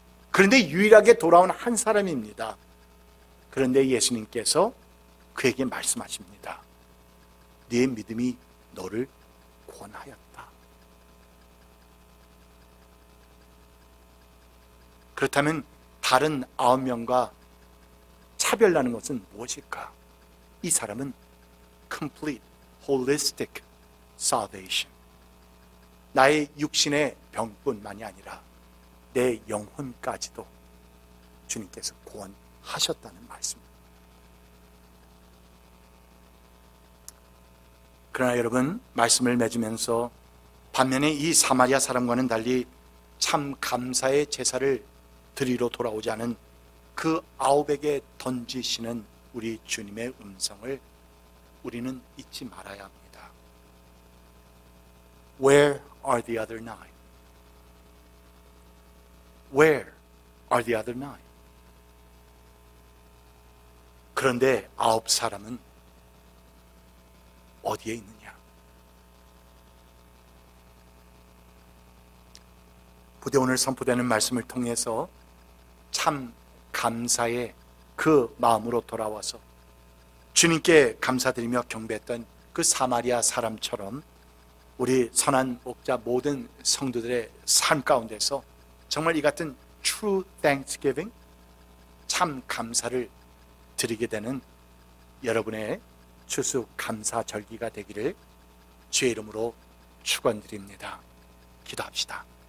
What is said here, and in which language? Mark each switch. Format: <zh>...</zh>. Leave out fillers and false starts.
<ko>그런데 유일하게 돌아온 한 사람입니다. 그런데 예수님께서 그에게 말씀하십니다. 네 믿음이 너를 구원하였다. 그렇다면 다른 9명과 차별라는 것은 무엇일까? 이 사람은</ko> <en>complete, holistic salvation.</en> <ko>나의 육신의 병뿐만이 아니라 내 영혼까지도 주님께서 구원하셨다는 말씀입니다. 그러나 여러분, 말씀을 맺으면서 반면에 이 사마리아 사람과는 달리 참 감사의 제사를 드리러 돌아오지 않은 그 아홉에게 던지시는 우리 주님의 음성을 우리는 잊지 말아야 합니다.</ko> <en>Where are the other nine? Where are the other nine?</en> <ko>그런데 아홉 사람은 어디에 있느냐? 부디 오늘 선포되는 말씀을 통해서 참 감사의 그 마음으로 돌아와서 주님께 감사드리며 경배했던 그 사마리아 사람처럼 우리 선한 목자 모든 성도들의 삶 가운데서 정말 이 같은</ko> <en>true thanksgiving,</en> <ko>참 감사를 드리게 되는 여러분의 추수 감사 절기가 되기를 주의 이름으로 축원드립니다. 기도합시다.</ko>